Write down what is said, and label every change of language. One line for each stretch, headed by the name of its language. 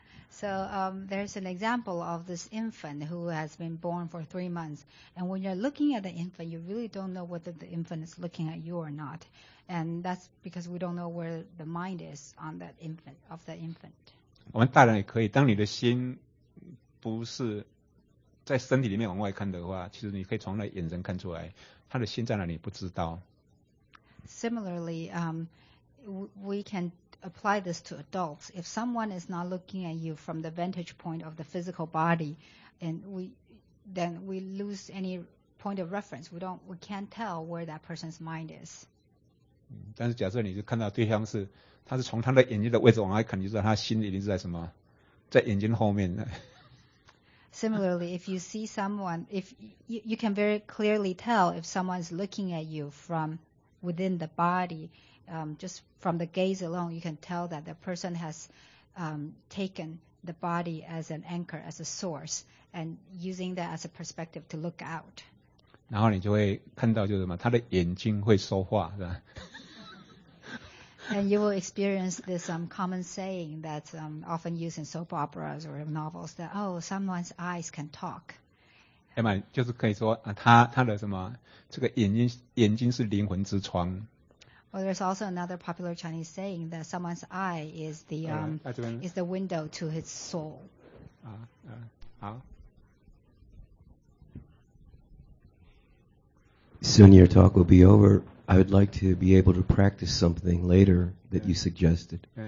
English: So, there's an example of this infant who has been born for 3 months. And when you're looking at the infant, you really don't know whether the infant is looking at you or not. And that's because we don't know where the mind is on that infant, of the infant.
Chinese: 我们大人也可以，当你的心不是在身体里面往外看的话，其实你可以从那眼神看出来，他的心在哪里不知道。
English: Similarly, we can apply this to adults. If someone is not looking at you from the vantage point of the physical body, and then we lose any point of reference. We can't tell where that person's mind is.
Chinese: 但是假设你是看到对象是，他是从他的眼睛的位置往外看，你就知道他心一定是在什么，在眼睛后面。
English: Similarly, if you see someone, if you can very clearly tell if someone is looking at you from within the body, just from the gaze alone, you can tell that the person has taken the body as an anchor, as a source, and using that as a perspective to look out.
Chinese: 然后你就会看到就是什么，他的眼睛会说话，是吧？
English: And you will experience this common saying that's often used in soap operas or in novels that, oh, someone's eyes can talk.
Chinese: 就是可以说、啊、他的什么这个眼睛是灵魂之窗。
English: Well, there's also another popular Chinese saying that someone's eye is the is the window to his soul.
Chinese: 好。
English: Soon your talk will be over. I would like to be able to practice something later that you suggested.